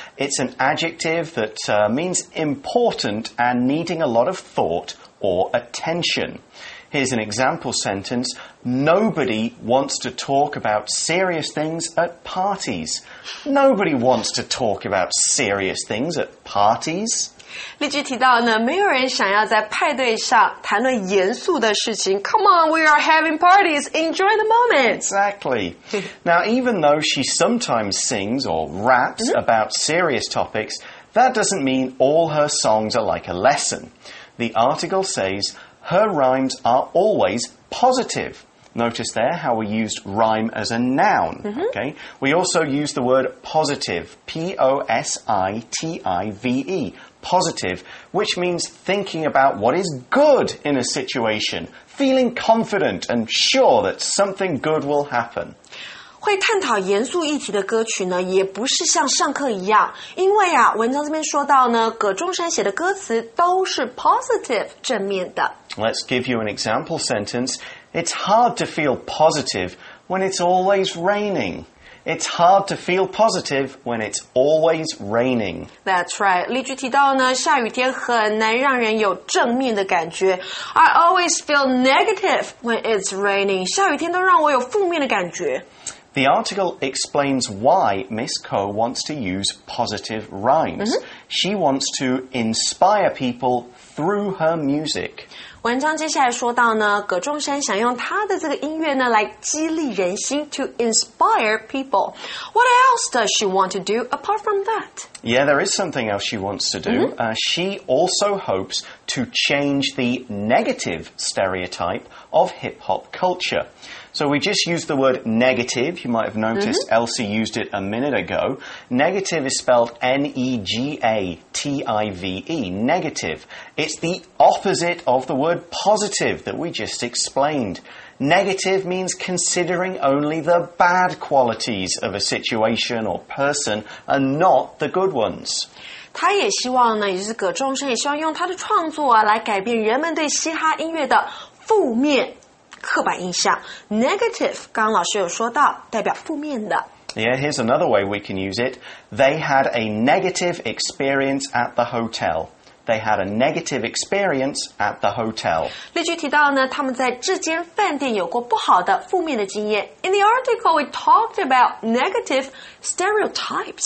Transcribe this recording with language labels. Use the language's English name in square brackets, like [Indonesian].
[English] It's an adjective that, means important and needing a lot of thought or attention. Here's an example sentence. Nobody wants to talk about serious things at parties. Nobody wants to talk about serious things at parties. [Chinese] 例句提到呢，没有人想要在派对上谈论严肃的事情。 [English] Come on, we are having parties. Enjoy the moment. Exactly. Now, even though she sometimes sings or raps、mm-hmm. about serious topics, that doesn't mean all her songs are like a lesson. The article says her rhymes are always positive. Notice there how we used rhyme as a noun.、 Mm-hmm. Okay. We also use the word positive. P-O-S-I-T-I-V-E. Positive, which means thinking about what is good in a situation, feeling confident and sure that something good will happen. [Chinese] 会探讨严肃议题的歌曲呢，也不是像上课一样，因为啊，文章这边说到呢，葛仲山写的歌词都是 positive, 正面的。 [English] Let's give you an example sentence. It's hard to feel positive when it's always raining. It's hard to feel positive when it's always raining. That's right. [Chinese] 例句提到呢，下雨天很难让人有正面的感觉。 [English] I always feel negative when it's raining. [Chinese] 下雨天都让我有负面的感觉。 [English] The article explains why Miss Ko wants to use positive rhymes.、 Mm-hmm. She wants to inspire people through her music. [Chinese] 文章接下来说到呢，葛仲珊想用他的这个音乐呢来激励人心 ， [English] to inspire people. What else does she want to do apart from that? Yeah, there is something else she wants to do.、Mm-hmm. She also hopes to change the negative stereotype of hip-hop culture. So we just used the word negative. You might have noticed、mm-hmm. Elsie used it a minute ago. Negative is spelled N-E-G-A-T-I-V-E, negative. It's the opposite of the word positive that we just explained. Negative means considering only the bad qualities of a situation or person and not the good ones. [Chinese] 他也希望呢，也就是葛仲珊也希望用他的创作啊，来改变人们对嘻哈音乐的负面刻板印象 negative, 刚刚老师有说到代表负面的 [English] Yeah, here's another way we can use it. They had a negative experience at the hotel. They had a negative experience at the hotel. [Chinese] 例句提到呢，他们在这间饭店有过不好的负面的经验 [English] In the article, we talked about negative stereotypes.